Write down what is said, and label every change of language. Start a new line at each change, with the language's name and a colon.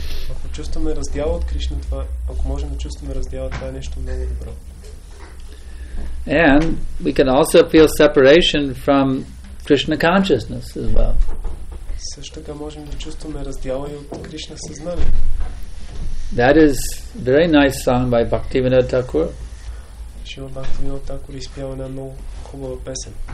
Bulgarian: Ако чувстваме раздяла от Кришна, това, ако можем да чувстваме раздяла, това е нещо много добро.
English: And we can also feel separation from Krishna consciousness as well.
Bulgarian: Също така можем да чувстваме раздяла и от Кришна съзнание.
English: That is a very nice song by Bhaktivinoda Thakur.
Bulgarian: Шива Бхактивинода Такур изпява една много хубава песен.